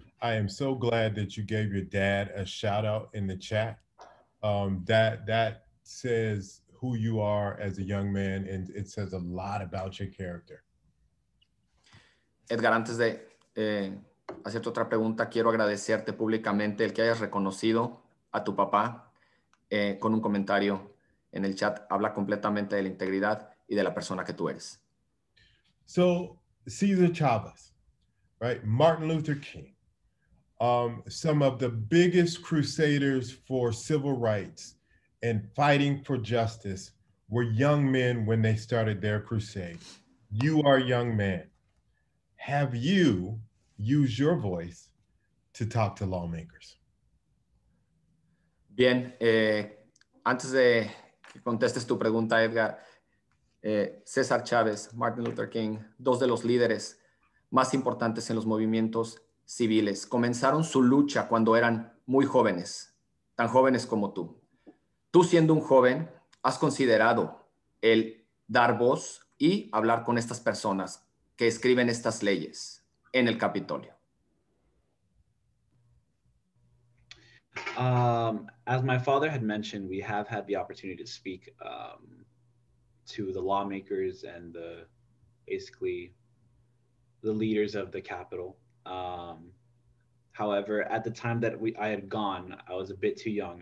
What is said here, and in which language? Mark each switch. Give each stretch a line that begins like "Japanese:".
English: I am so glad that you gave your dad a shout out in the chat. That says who you are as a young man, and it says a lot about your character.
Spanish: Edgar, antes de hacerte otra pregunta, quiero agradecerte públicamente el que hayas reconocido a tu papá con un comentario en el chat. Habla completamente de la integridad y de la persona que tú eres.
English: So, Cesar Chavez, right? Martin Luther King, some of the biggest crusaders for civil rights and fighting for justice were young men when they started their crusade. You are a young man. Have you used your voice to talk to lawmakers?
Spanish: Bien, antes de que contestes tu pregunta, Edgar, César Chávez, Martin Luther King, dos de los líderes más importantes en los movimientos civiles, comenzaron su lucha cuando eran muy jóvenes, tan jóvenes como tú. Tú, siendo un joven, has considerado el dar voz y hablar con estas personas que escriben estas leyes en el Capitolio.
English: As my father had mentioned, we have had the opportunity to speak to the lawmakers and the leaders of the Capitol. However, at the time that I had gone, I was a bit too young.